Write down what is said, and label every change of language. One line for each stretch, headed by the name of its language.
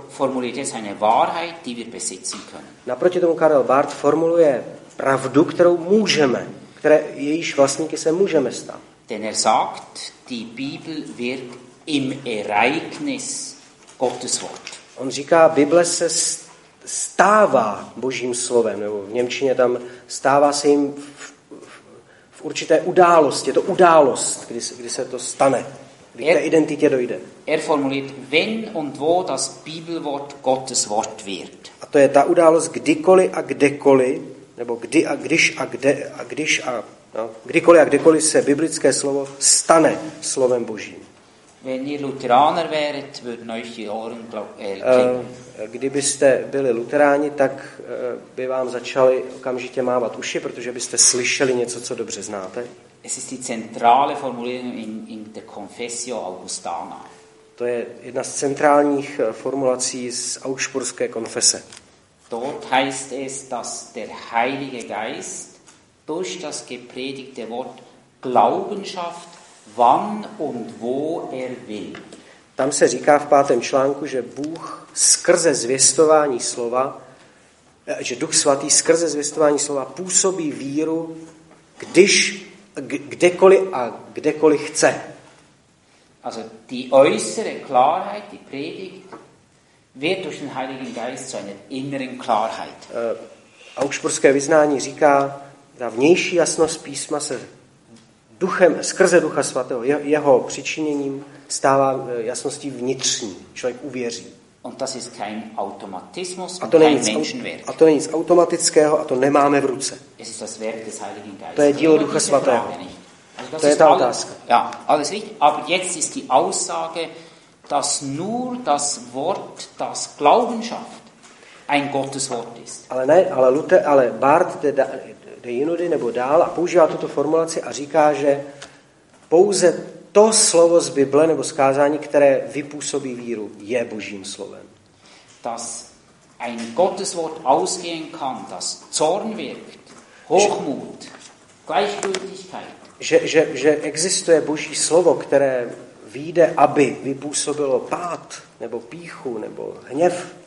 Czech: formuluje
German: seine Wahrheit, die wir besitzen können.
Czech: Naproti tomu Karel Barth formuluje pravdu, kterou můžeme, které jejíž vlastníky se můžeme stát.
German: Denn er sagt, die Bibel wirkt im Ereignis Gottes Wort.
Czech: On říká, Bible se stává Božím slovem, nebo v němčině tam stává se jim v určité události, je to událost, kdy se to stane, kdy k té identitě dojde.
German: Er formuliert, wenn und wo das Bibelwort Gottes Wort wird.
Czech: A to je ta událost kdykoliv a kdekoliv, nebo kdy a když a kde a když a no, kdykoliv a kdekoliv se biblické slovo stane slovem Božím.
German: Wenn ihr Lutheraner wäret, würden euch die Ohren klingeln.
Czech: Kdybyste byli luteráni, tak by vám začali okamžitě mávat uši, protože byste slyšeli něco, co dobře znáte.
German: Es ist die zentrale Formulierung in der Confessio Augustana.
Czech: To je jedna z centrálních formulací z Augsburské konfese.
German: Dort heißt es, dass der Heilige Geist durch das gepredigte Wort Glauben schafft, wann und wo er will.
Czech: Tam se říká v pátém článku, že Bůh skrze zvěstování slova, že Duch Svatý skrze zvěstování slova působí víru, když kdekoliv a kdekoliv chce.
German: Also die äußere Klarheit, die Predigt wird durch den Heiligen Geist zu einer inneren Klarheit.
Czech: Augsburské vyznání říká, ta vnější jasnost písma se Duchem, skrze Ducha Svatého, jeho přičiněním stává jasností vnitřní. Člověk uvěří.
German: Und das ist kein automatismus,
Czech: a to není nic automatického a to nemáme v ruce.
German: Es ist das Werk des Heiligen Geistes.
Czech: To je dílo Ducha Svatého.
German: Also
Czech: to je ta otázka.
German: Ja, alles richtig, aber jetzt ist die Aussage, dass nur das Wort, das Glauben schafft, ein Gottes Wort ist.
Czech: Ale ne, ale Barth teda jinudy nebo dál a používá tuto formulaci a říká, že pouze to slovo z Bible nebo z kázání, které vypůsobí víru, je Božím slovem.
German: Das ein Gotteswort ausgehen kann, das Zorn wirkt, Hochmut, Gleichgültigkeit.
Czech: Že existuje Boží slovo, které vyjde, aby vypůsobilo pád, nebo píchu, nebo hněv.